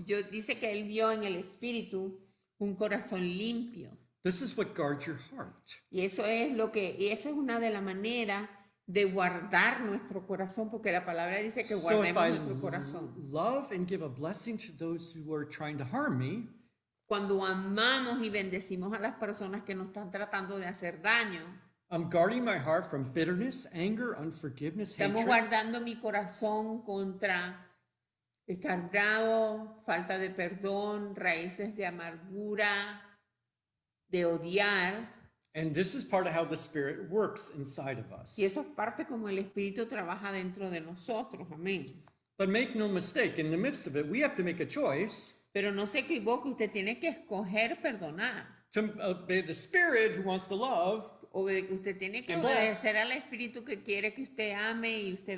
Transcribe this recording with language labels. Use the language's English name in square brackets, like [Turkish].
[Spanish] Yo dice que él vio en el espíritu un corazón limpio. [English] This is what guards your heart. [Spanish] Y eso es lo que, y esa es una de las maneras de guardar nuestro corazón, porque la palabra dice que guardemos nuestro corazón. [English] So if I love and give a blessing to those who are trying to harm me, [Spanish] cuando amamos y bendecimos a las personas que nos están tratando de hacer daño, [English] I'm guarding my heart from bitterness, anger, unforgiveness, [Spanish] estamos [English] hatred. [Spanish] Guardando mi corazón contra Estar bravo, falta de perdón, raíces de amargura, de odiar. [English] And this is part of how the Spirit works inside of [Spanish] Y [English] us. [Spanish] eso es parte como el Espíritu trabaja dentro de nosotros. Amén. [English] But make no mistake, in the midst of it, we have to make a choice [Spanish] Pero no se equivoque, usted tiene que escoger perdonar. [English] to obey the Spirit who wants to love [Spanish] Usted tiene que [English] and bless, [Spanish] obedecer al Espíritu que quiere que usted ame y usted